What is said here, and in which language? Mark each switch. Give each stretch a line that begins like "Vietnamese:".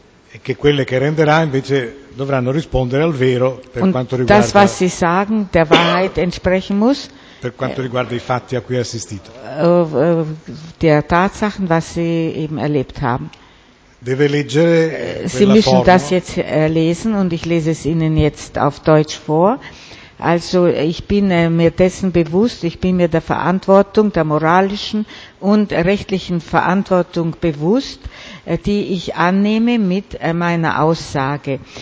Italian: E che quelle che renderà invece dovranno rispondere al vero per
German: und
Italian: quanto riguarda
German: das, was sie sagen, der Wahrheit entsprechen muss.
Italian: Per quanto riguarda i fatti a cui ha assistito.
German: Der Tatsachen, was sie eben erlebt haben.
Italian: Deve leggere
German: sie müssen
Italian: forma.
German: Das jetzt lesen und ich lese es Ihnen jetzt auf Deutsch vor. Also ich bin mir dessen bewusst, ich bin mir der Verantwortung, der moralischen und rechtlichen Verantwortung bewusst, die ich annehme mit meiner Aussage.